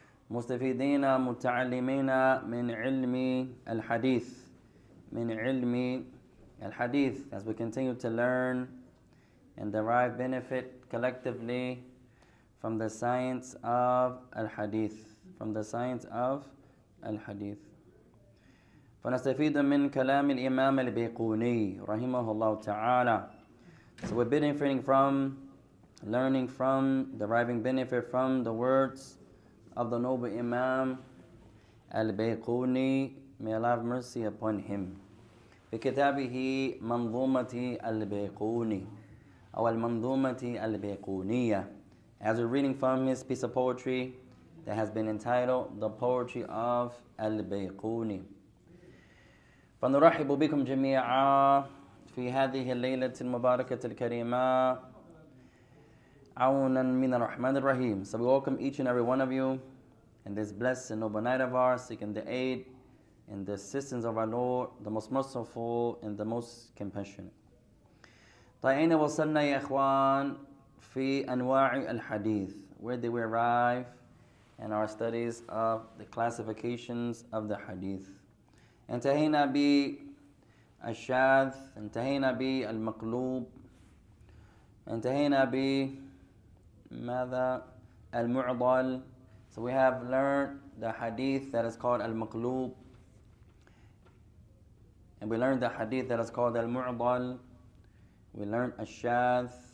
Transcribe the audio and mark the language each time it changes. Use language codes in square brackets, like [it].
[ar] مُسْتَفِدِينَ مُتَعَلِّمِينَ مِنْ عِلْمِ الْحَدِيثِ [en] مِنْ عِلْمِ الْحَدِيثِ As we continue to learn and derive benefit collectively from the science of al-hadith, from the science of al-hadith. [ar] فنستفيد من كلام الإمام البيقوني رحمه الله تعالى. [en] So we're benefiting from, learning from, deriving benefit from the words of the noble Imam البيقوني. May Allah have mercy upon him. [ar] بكتابه منظومة البيقوني أو المنظومة البيقونية. [en] As we're reading from his piece of poetry that has been entitled The Poetry of البيقوني. [ar] فنرحب بكم جميعا في هذه الليلة المباركة الكريمة عونا من الرحمن الرحيم. [en] So we welcome each and every one of you in this blessed and noble night of ours, seeking the aid and the assistance of our Lord, the most merciful and the most compassionate. [ar] طيب وصلنا يا إخوان في أنواع الحديث. [en] Where did we arrive in our studies of the classifications of the hadith? [ar] انتهينا بالشاذ انتهينا بالمقلوب انتهينا بماذا المعضل [en] So we have learned the hadith that is called المقلوب And we learned the hadith that is called المعضل We learned الشاذ